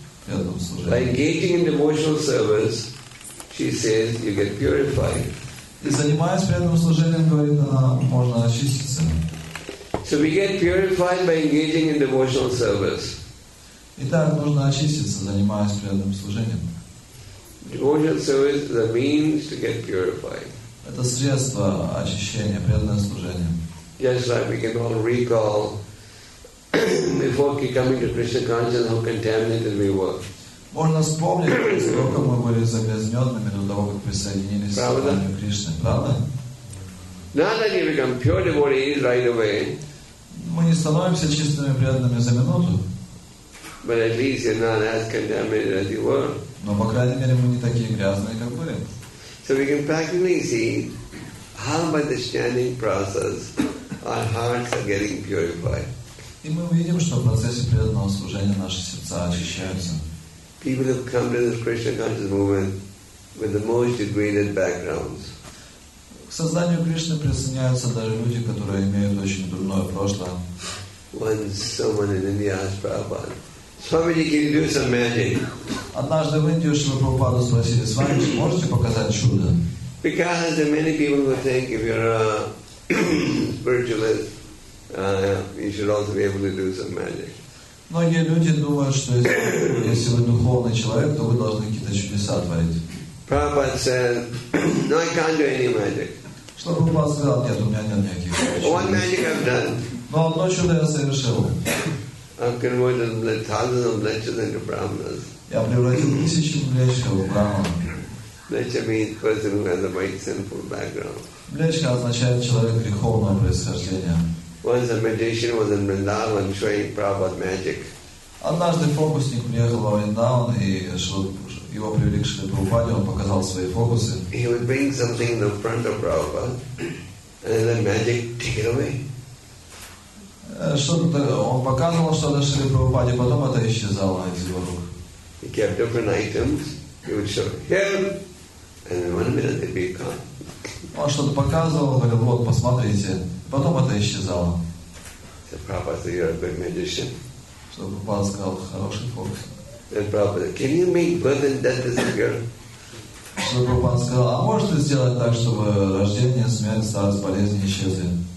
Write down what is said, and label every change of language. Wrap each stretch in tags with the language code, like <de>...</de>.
<en>And by engaging in devotional service, she says, you get purified.</en> <ru>И занимаясь преданным служением, говорит она, можно очиститься.</ru> <en>So we get purified by engaging in devotional service.</en> <ru>Итак, нужно очиститься, занимаясь преданным служением.</ru> <en>Devotional service is a means to get purified.</en> <ru>Это средство очищения, преданное служение.</ru> <en>Just like we can all recall before coming to Krishna consciousness how contaminated we were.</en> <ru>Можно вспомнить, сколько мы были загрязненными до того, как присоединились к сознанию Кришны, правда?</ru> <en>Not that you become pure devotees right away.</en> <ru>Мы не становимся чистыми преданными за минуту.</ru> <en>But at least you're not as contaminated as you were.</en> <ru>Но, по крайней мере, мы не такие грязные, как были.</ru> <en>So we can practically see how by the chanting process our hearts are getting purified.</en> <ru>И мы видим, что в процессе преданного служения наши сердца очищаются.</ru> <en>People have come to this Krishna conscious movement with the most degraded backgrounds.</en> <ru>К сознанию Кришны присоединяются даже люди, которые имеют очень дурное прошлое.</ru> <en>When someone in India asked Prabhupada, Swamiji, can you do some magic?</en> <ru>Однажды в Индии Шрила Прабхупада спросили, с вами же можете показать чудо?</ru> <en>Because there are many people who think if you're a spiritualist, you should also be able to do some magic.</en> <ru>Многие люди думают, что если вы духовный человек, то вы должны какие-то чудеса творить.</ru> <en>Prabhupada said, no, I can't do any magic.</en> <ru>Шрила Прабхупада сказал, нет, у меня нет никаких чудес.</ru> <en>One magic I've done.</en> <ru>Но одно чудо я совершил.</ru> <en>I've converted thousands of mlechas into brahmanas.</en> <ru>Я превратил тысячи млечков в брахмана.</ru> <en>Mlecha means person who has a white sinful background.</en> <ru>Млечка означает человек греховного происхождения.</ru> <en>Once a magician was in Vrindavan showing Prabhupada magic.</en> <ru>Однажды фокусник приехал во Вриндаван и его привели к Шриле Прабхупаде, он показал свои фокусы.</ru> <en>He would bring something in the front of Prabhupada and then magic take it away.</en> <ru>Что-то он показывал, что на Шриле Прабхупаде, потом это исчезало из его рук.</ru> <en>He kept different items. He would show him, and in 1 minute they'd be gone.</en> <ru>Он что-то показывал, говорил, вот, посмотрите. Потом это исчезало.</ru> <en>So Prabhupada said, you're a good magician.</en> <ru>Что Прабхупада сказал, хороший фокус.</ru> <en>Then Prabhupada said, can you make birth and death disappear?</en> <ru>Что Прабхупада сказал, а можете сделать так, чтобы рождение, смерть, старость, болезнь исчезли?</ru>